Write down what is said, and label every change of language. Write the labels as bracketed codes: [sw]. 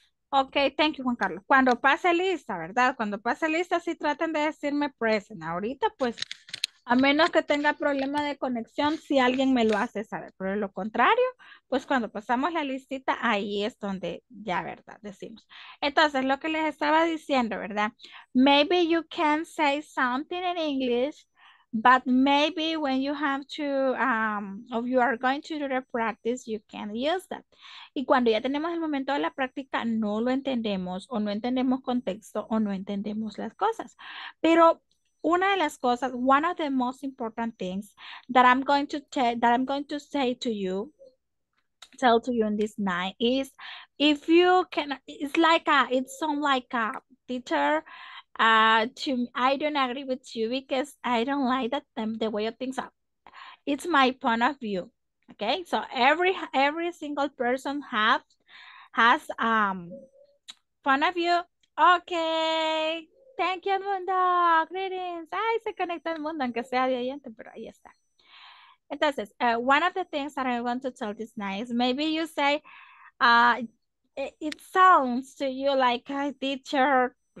[en] Ok, thank you, [es] Juan Carlos. Cuando pase lista, ¿verdad? Cuando pase lista, sí traten de decirme present. Ahorita, pues, a menos que tenga problema de conexión, si alguien me lo hace saber. Pero lo contrario, pues cuando pasamos la listita, ahí es donde ya, ¿verdad? Decimos. Entonces, lo que les estaba diciendo, ¿verdad? [en] Maybe you can say something in English, but maybe when you have to, if you are going to do the practice, you can use that. [es] Y cuando ya tenemos el momento de la práctica, no lo entendemos, o no entendemos contexto, o no entendemos las cosas. Pero una de las cosas, [en] one of the most important things that I'm going to say to you, tell to you in this night is, if you can, it's some like a teacher I don't agree with you because I don't like that the way of things are. It's my point of view. Okay, so every single person has point of view. Okay, thank you, Mundo. Greetings. [es] Ay, se conectó el mundo, aunque sea de oyente, pero ahí está. [en] Entonces, one of the things that I want to tell this night, maybe you say, it sounds to you like a teacher.